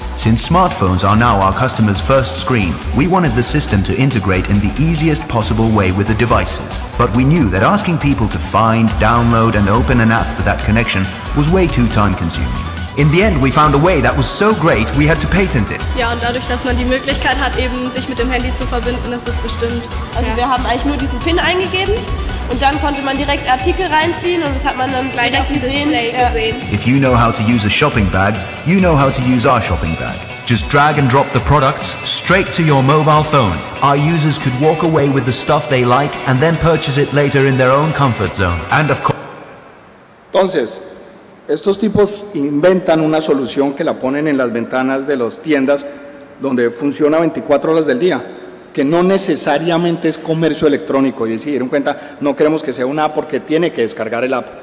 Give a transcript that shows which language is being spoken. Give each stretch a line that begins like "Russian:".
English: Since smartphones are now our customers' first screen, we wanted the system to integrate in the easiest possible way with the devices. But we knew that asking people to find, download and open an app for that connection was way too time consuming. In the end, we found a way that was so great we had to patent it.
German: Ja, und dadurch, dass man die Möglichkeit hat, eben sich mit dem Handy zu verbinden, ist das bestimmt. Also ja. Wir haben eigentlich nur diesen PIN eingegeben und dann konnte man direkt Artikel reinziehen und das hat man dann gleich auf dem Display gesehen.
English: If you know how to use a shopping bag, you know how to use our shopping bag. Just drag and drop the products straight to your mobile phone. Our users could walk away with the stuff they like and then purchase it later in their own comfort zone. And of course.
Spanish: Entonces, estos tipos inventan una solución que la ponen en las ventanas de las tiendas donde funciona 24 horas del día, que no necesariamente es comercio electrónico. Y si dieron cuenta, no queremos que sea una app porque tiene que descargar el app.